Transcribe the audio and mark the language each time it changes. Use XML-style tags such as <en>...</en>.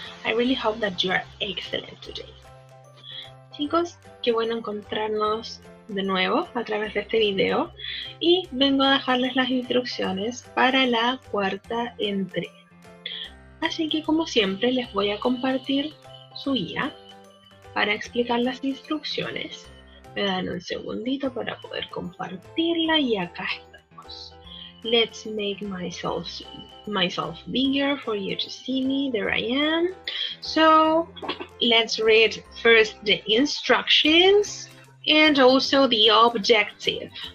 <en>I really hope that you are excellent today.</en> <es>Chicos, qué bueno encontrarnos de nuevo a través de este video. Y vengo a dejarles las instrucciones para la cuarta entrega. Así que, como siempre, les voy a compartir su guía para explicar las instrucciones. Me dan un segundito para poder compartirla y acá estamos.</es> <en>Let's make myself bigger for you to see me. There I am. So, let's read first the instructions and also the objective.</en>